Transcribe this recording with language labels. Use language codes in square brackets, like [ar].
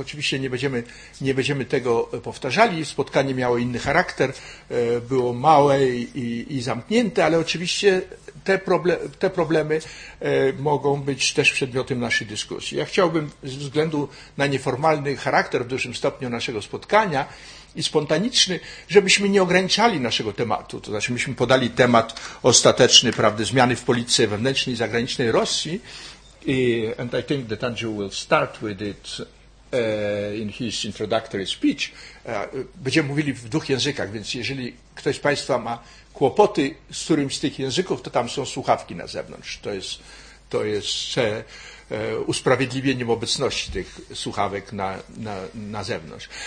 [pl] Oczywiście nie będziemy tego powtarzali. Spotkanie miało inny charakter, było małe i zamknięte, ale oczywiście te problemy mogą być też przedmiotem naszej dyskusji. Ja chciałbym ze względu na nieformalny charakter w dużym stopniu naszego spotkania i spontaniczny, żebyśmy nie ograniczali naszego tematu. To znaczy, myśmy podali temat ostateczny, prawda, zmiany w polityce wewnętrznej i zagranicznej Rosji. [en] And I think that Andrew will start with it in his introductory speech. [pl] Będziemy mówili w dwóch językach, więc jeżeli ktoś z Państwa ma kłopoty z którymś z tych języków, to tam są słuchawki na zewnątrz. To jest usprawiedliwieniem obecności tych słuchawek na zewnątrz.